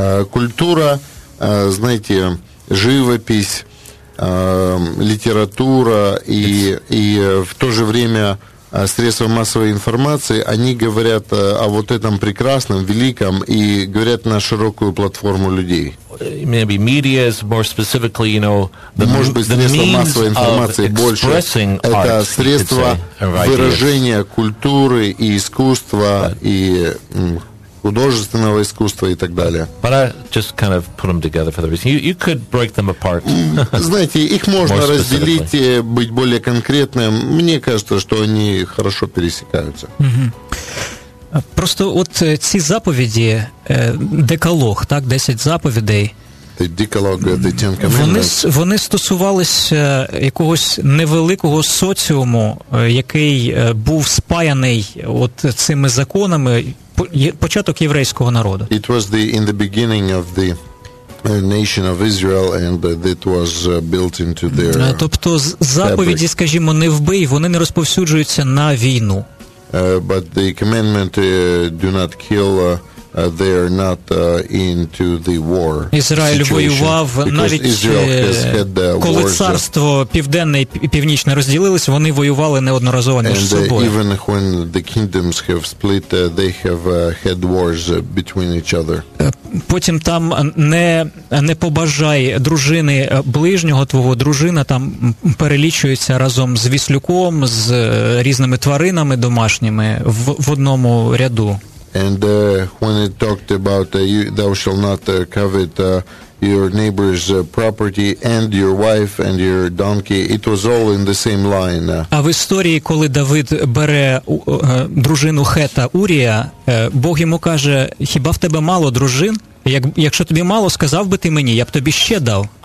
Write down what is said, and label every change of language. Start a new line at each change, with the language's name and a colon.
Russian: Культура, знаете, живопись,
Ukrainian: література і
Russian: в то же время средства массовой информации, они говорят о вот этом прекрасном, великом и говорят на широкую платформу людей.
English: Maybe media is more specifically, you know,
Russian: может быть, средства массовой информации больше. Это средства выражения культуры и искусства, и художественного искусства и так далее.
English: But I just kind of put them together for the reason. You could break them apart.
Russian: Знаете, их можно разделить, быть более конкретным. Мне кажется, что они хорошо пересекаются.
Ukrainian: Просто от ці заповіді, Деколог, так, 10 заповідей.
English: The Decalogue, the Ten Commandments.
Ukrainian: Вони стосувалися якогось невеликого соціуму, який був спаяний от цими законами. Початок єврейського народу.
English: It was in the beginning of the nation of Israel, and that was built into their fabric.
Ukrainian: Тобто заповіді, скажімо, не вбий, вони не розповсюджуються на війну.
English: But the commandment do not kill, they are not into the war situation.
Ukrainian: Ізраїль воював, навіть коли царство південне і північне розділилось, вони воювали неодноразово між собою.
English: Even when the kingdoms have split, they have had wars between each other.
Ukrainian: Потім там не побажай дружини ближнього твого, дружина там перелічується разом з віслюком, з різними тваринами домашніми в одному ряду.
English: And when it talked about thou shalt not covet your neighbor's property and your wife and your donkey, it was all in the same line.
Ukrainian: А в історії, коли Давид бере дружину Хета Урія, Бог йому каже: хіба в тебе мало дружин? Якщо тобі мало, сказав би ти мені, я б тобі ще дав.